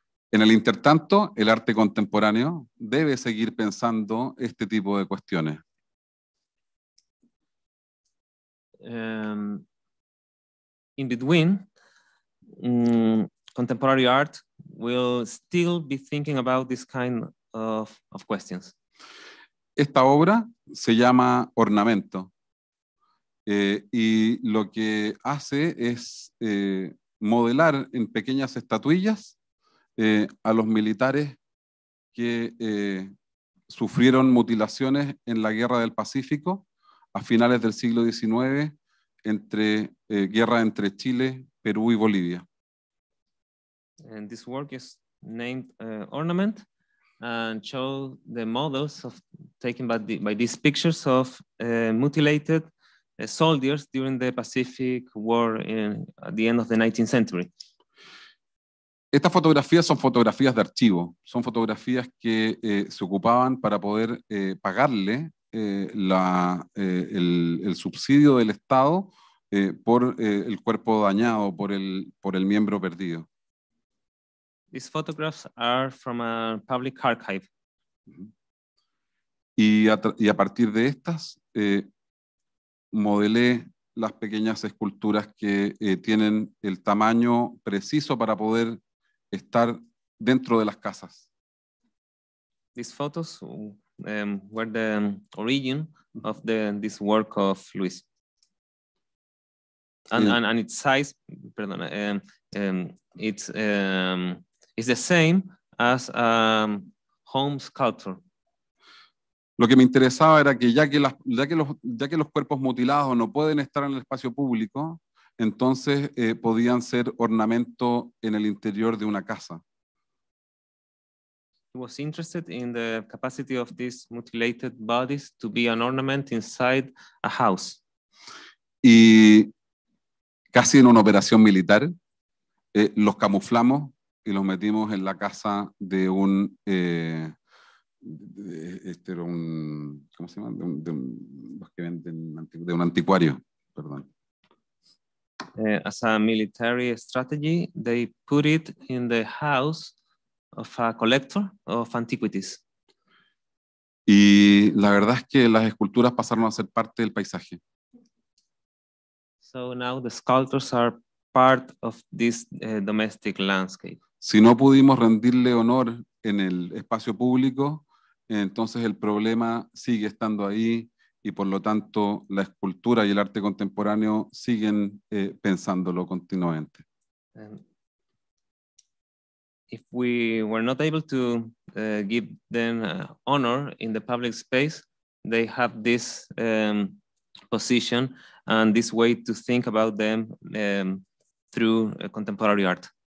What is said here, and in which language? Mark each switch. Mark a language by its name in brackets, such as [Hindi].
[Spanish] En el intertanto, el arte contemporáneo debe seguir pensando este tipo de cuestiones. [English] In between, contemporary art will still be thinking about this kind of questions. [Spanish] Esta obra se llama Ornamento. Y lo que hace es modelar en pequeñas estatuillas a los militares que sufrieron mutilaciones en la Guerra del Pacífico a finales del siglo XIX, entre guerra entre Chile, Perú y Bolivia. [English] And this work is named Ornament and show the models of taken by these pictures of mutilated soldiers during the Pacific War at the end of the 19th century. [Spanish] Estas fotografías son fotografías de archivo. Son fotografías que se ocupaban para poder pagarle el subsidio del Estado por el cuerpo dañado, por el miembro perdido. [English] These photographs are from a public archive. Mm-hmm. [Spanish] Y a partir de estas, modelé las pequeñas esculturas que tienen el tamaño preciso para poder estar dentro de las casas. [English] These photos were the origin of this work of Luis. And its size, [Spanish] perdón, [English] it's the same as a home sculpture. [Spanish] Lo que me interesaba era que ya que los cuerpos mutilados no pueden estar en el espacio público, entonces podían ser ornamento en el interior de una casa. [English] He was interested in the capacity of these mutilated bodies to be an ornament inside a house. [Spanish] Y casi en una operación militar, los camuflamos y los metimos en la casa de un este era un, ¿cómo se llama? De un anticuario, perdón. [English] As a military strategy, they put it in the house of a collector of antiquities. [Spanish] Y la verdad es que las esculturas pasaron a ser parte del paisaje. [English] So now the sculptures are part of this domestic landscape. [Spanish] Si no pudimos rendirle honor en el espacio público, entonces el problema sigue estando ahí y por lo tanto la escultura y el arte contemporáneo siguen pensándolo continuamente. [English] If we were not able to give them honor in the public space, they have this position and this way to think about them through contemporary art.